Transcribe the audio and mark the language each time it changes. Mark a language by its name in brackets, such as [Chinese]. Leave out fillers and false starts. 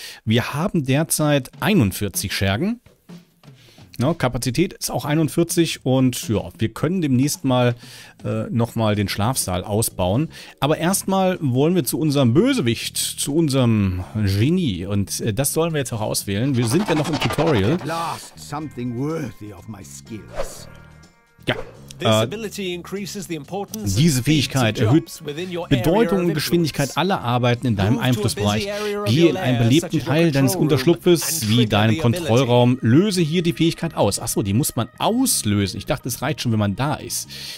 [German] Wir haben derzeit 41 Schergen. Ja, Kapazität ist auch 41 und ja, wir können demnächst mal nochmal den Schlafsaal ausbauen. Aber erstmal wollen wir zu unserem Bösewicht, zu unserem Genie und das sollen wir jetzt auch auswählen. Wir sind ja noch im Tutorial. [English] At last, something worthy of my skills. [German] Ja. Diese Fähigkeit erhöht Bedeutung und Geschwindigkeit aller Arbeiten in deinem Einflussbereich. Gehe in einen belebten Teil deines Unterschlupfes wie deinen Kontrollraum. Löse hier die Fähigkeit aus. Achso, die muss man auslösen. Ich dachte, es reicht schon, wenn man da ist.